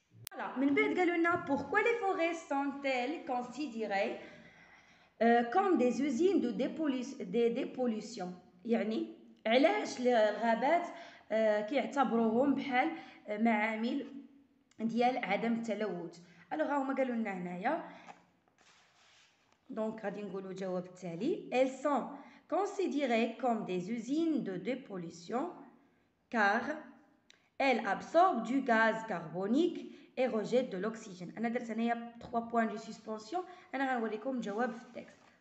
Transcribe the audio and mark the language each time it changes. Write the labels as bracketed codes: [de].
[ar] فوالا من بعد قالوا لنا [fr] pourquoi les forêts sont-elles considérées comme des usines de dépollution، [ar] يعني علاش الغابات كيعتبروهم بحال معامل ديال عدم التلوث. الوغ هما قالوا لنا هنايا دونك غادي نقولوا الجواب التالي [fr] elles sont considérées comme des usines de dépollution car elles absorbent du gaz carbonique et rejettent de l'oxygène. [ar] انا درت هنايا 3 points de suspension. انا غنوريكم الجواب في التكست.